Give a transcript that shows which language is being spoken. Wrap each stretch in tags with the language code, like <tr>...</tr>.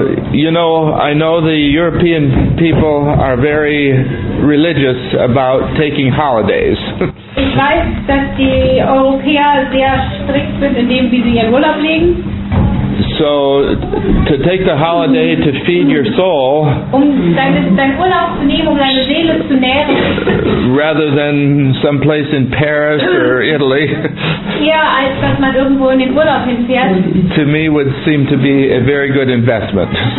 <en>You know, I know the European people are very religious about taking holidays.</en> <de>Ich weiß, dass die Europäer sehr strikt sind in dem, wie sie ihren Urlaub legen.</de> <en>So, to take the holiday to feed your soul, rather than someplace in Paris or Italy, to me would seem to be a very good investment.</en>